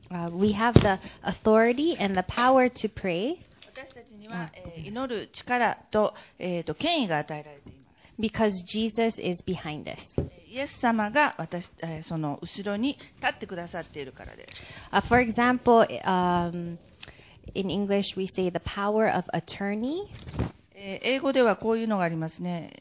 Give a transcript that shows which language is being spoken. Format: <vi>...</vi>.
<en>We have the authority and the power to pray.</en> <ja>私たちには、祈る力と、権威が与えられています。</ja> <en>Because Jesus is behind us.</en> <ja>イエス様が私、その後ろに立ってくださっているからです。</ja> <en>For example, in English we say the power of attorney.</en> <ja>英語ではこういうのがありますね。</ja>